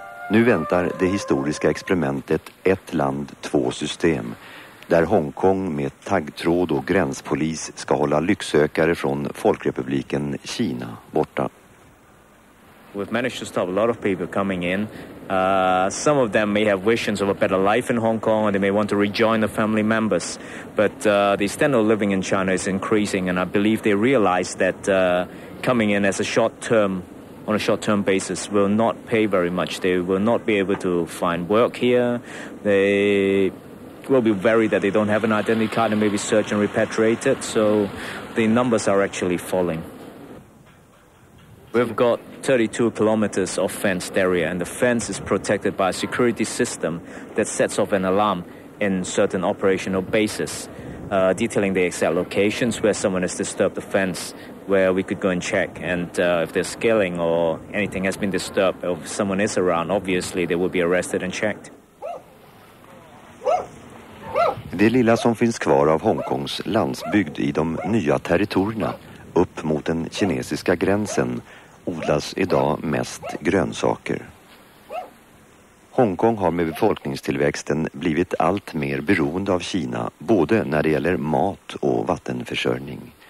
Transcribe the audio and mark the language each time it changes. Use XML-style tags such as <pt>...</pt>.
<sv>Nu väntar det historiska experimentet Ett land, två system, där Hongkong med taggtråd och gränspolis ska hålla lycksökare från Folkrepubliken Kina borta.</sv> <en>We've managed to stop a lot of people coming in. Some of them may have visions of a better life in Hong Kong and they may want to rejoin the family members. But the standard of living in China is increasing and I believe they realize that coming in as a short-term, on a short-term basis, will not pay very much. They will not be able to find work here. They will be worried that they don't have an identity card and maybe search and repatriate it, so the numbers are actually falling. We've got 32 kilometers of fenced area, and the fence is protected by a security system that sets off an alarm in certain operational bases, detailing the exact locations where someone has disturbed the fence, where we could go and check, and if there's scaling or anything has been disturbed, or if someone is around, obviously they will be arrested and checked.</en> <sv>Det lilla som finns kvar av Hongkongs landsbygd i de nya territorierna upp mot den kinesiska gränsen odlas idag mest grönsaker. Hongkong har med befolkningstillväxten blivit allt mer beroende av Kina, både när det gäller mat och vattenförsörjning.</sv>